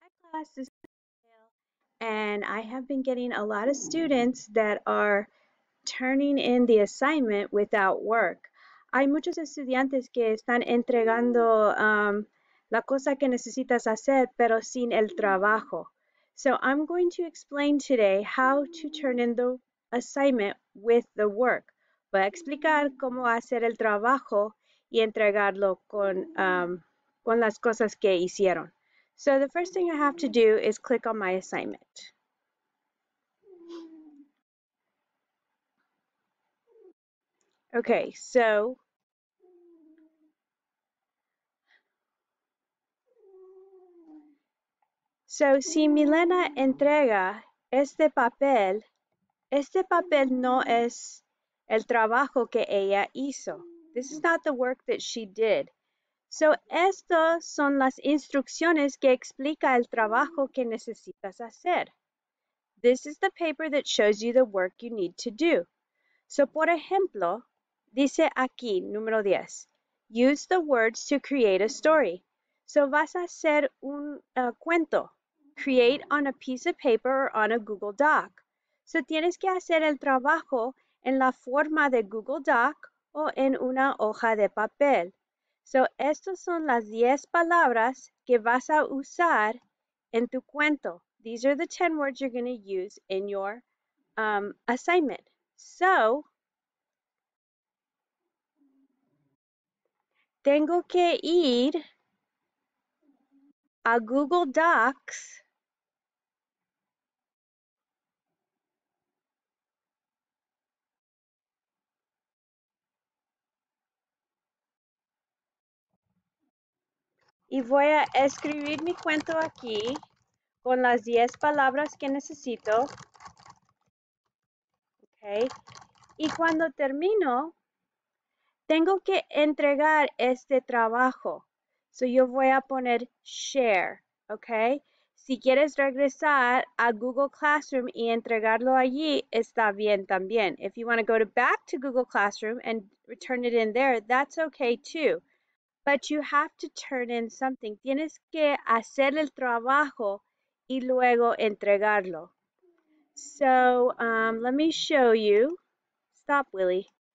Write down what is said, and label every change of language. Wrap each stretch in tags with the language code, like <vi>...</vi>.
<en>Classes, and I have been getting a lot of students that are turning in the assignment without work.</en> <es>Hay muchos estudiantes que están entregando la cosa que necesitas hacer, pero sin el trabajo.</es> <en>So I'm going to explain today how to turn in the assignment with the work.</en> <es>Voy a explicar cómo hacer el trabajo y entregarlo con las cosas que hicieron.</es> <en>So the first thing I have to do is click on my assignment.</en> <es>Okay, so si Milena entrega este papel no es el trabajo que ella hizo.</es> <en>This is not the work that she did.</en> <es>So, estas son las instrucciones que explica el trabajo que necesitas hacer.</es> <en>This is the paper that shows you the work you need to do.</en> <es>So, por ejemplo, dice aquí, número 10,</es> <en>use the words to create a story. So,</en> <es>vas a hacer un cuento.</es> <en>Create on a piece of paper or on a Google Doc.</en> <es>So, tienes que hacer el trabajo en la forma de Google Doc o en una hoja de papel. So, estas son las 10 palabras que vas a usar en tu cuento.</es> <en>These are the 10 words you're going to use in your assignment.</en> <es>So, tengo que ir a Google Docs y voy a escribir mi cuento aquí con las 10 palabras que necesito. Okay. Y cuando termino, tengo que entregar este trabajo. So yo voy a poner share. Okay. Si quieres regresar a Google Classroom y entregarlo allí, está bien también.</es> <en>If you want to go to back to Google Classroom and return it in there, that's okay too. But you have to turn in something.</en> <es>Tienes que hacer el trabajo y luego entregarlo.</es> <en>So, let me show you. Stop, Willy.</en>